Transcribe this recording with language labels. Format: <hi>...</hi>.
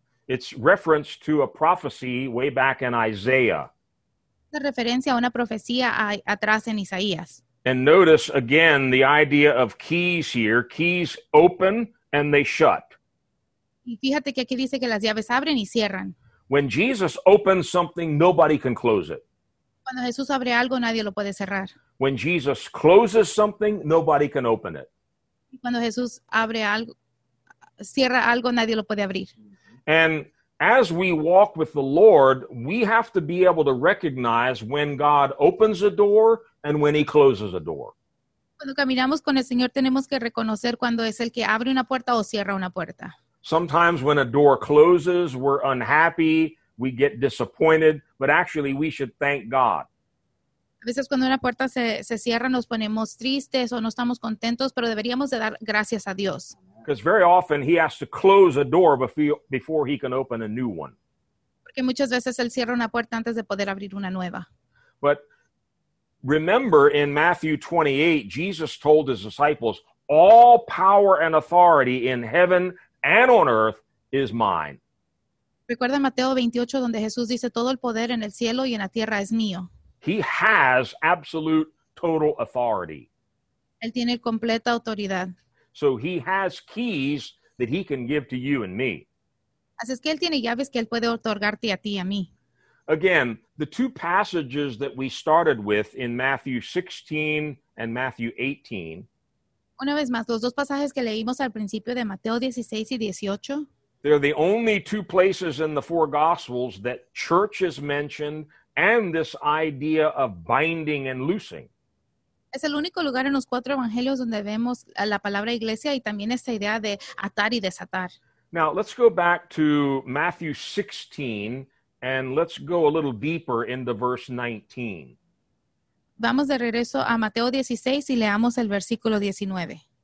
<en>It's reference to a prophecy way back in Isaiah.</en> <es>Es referencia a una profecía atrás en Isaías.</es> <en>And notice again the idea of keys here. Keys open and they shut.</en> <es>Y fíjate que aquí dice que las llaves abren y cierran.</es> <en>When Jesus opens something, nobody can close it.</en> <es>Cuando Jesús abre algo, nadie lo puede cerrar.</es> <en>When Jesus closes something, nobody can open it.</en> <es>Cuando Jesús abre algo, cierra algo, nadie lo puede abrir.</es> <en>And as we walk with the Lord, we have to be able to recognize when God opens a door and when he closes a door.</en> <es>Cuando caminamos con el Señor, tenemos que reconocer cuando es el que abre una puerta o cierra una puerta.</es> <en>Sometimes when a door closes, we're unhappy, we get disappointed, but actually we should thank God.</en> <es>A veces cuando una puerta se cierra, nos ponemos tristes o no estamos contentos, pero deberíamos de dar gracias a Dios.</es> <en>Because very often he has to close a door before he can open a new one.</en> <es>Porque muchas veces él cierra una puerta antes de poder abrir una nueva.</es> <en>But remember in Matthew 28, Jesus told his disciples, all power and authority in heaven and on earth is mine.</en> <es>Recuerda Mateo 28, donde Jesús dice, todo el poder en el cielo y en la tierra es mío.</es> <en>He has absolute total authority.</en> <es>Él tiene completa autoridad.</es> <en>So he has keys that he can give to you and me.</en> <es>Así es que él tiene llaves que él puede otorgarte a ti y a mí.</es> <en>Again, the two passages that we started with in Matthew 16 and Matthew 18.</en> <es>Una vez más, los dos pasajes que leímos al principio de Mateo 16 y 18.</es> <en>They're the only two places in the four Gospels that church is mentioned and this idea of binding and loosing.</en> <es>Es el único lugar en los cuatro evangelios donde vemos la palabra iglesia y también esta idea de atar y desatar.</es> <en>Now, let's go back to Matthew 16 and let's go a little deeper into verse 19.</en> <es>Vamos de regreso a Mateo 16 y leamos el versículo 19.</es>